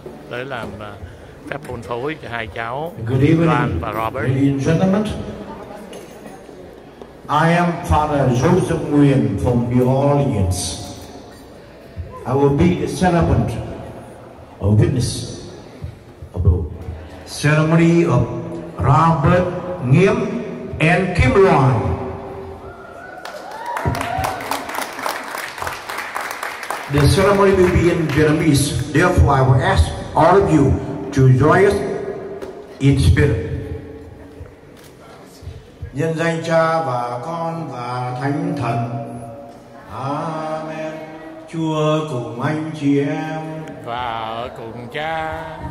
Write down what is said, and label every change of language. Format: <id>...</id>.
<vi>Tới làm phép hôn phối cho hai cháu.</vi> <en>Good evening,</en> <vi>Lan và Robert.</vi> <en>Ladies and gentlemen, I am Father Joseph Nguyen from New Orleans. I will be the celebrant, a witness of the ceremony of Robert Nguyen and Kim Loan. The ceremony will be in Vietnamese. Therefore, I will ask all of you to join us in spirit.</en> <vi>Nhân danh Cha và Con và Thánh Thần. Amen. Chúa cùng anh chị em và ở cùng cha.</vi>